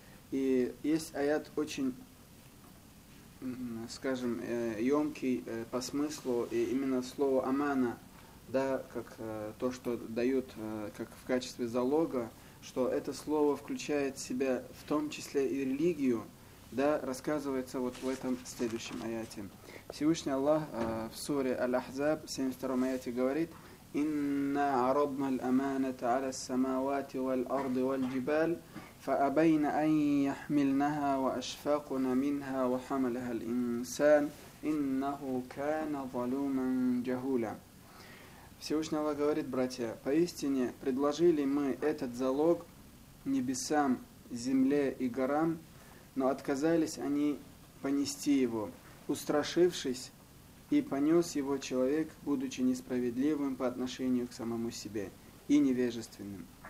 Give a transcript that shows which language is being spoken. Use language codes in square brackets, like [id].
[ru] И есть аят очень, скажем, емкий по смыслу, и именно слово «амана», да, как то, что дают как в качестве залога, что это слово включает в себя в том числе и религию, да, рассказывается вот в этом следующем аяте. Всевышний Аллах в суре «Аль-Ахзаб» в 72-м аяте говорит [ar] «Инна арадна л-аманата аля ссамавати валь-арды валь-джибаль». فأبين أن يحملنها وأشفقن منها وحملها الإنسان إنه كان ظلوما جهولا. [ru] Всевышний Аллах говорит: братья, поистине предложили мы этот залог небесам, земле и горам, но отказались они понести его, устрашившись, и понес его человек, будучи несправедливым по отношению к самому себе и невежественным.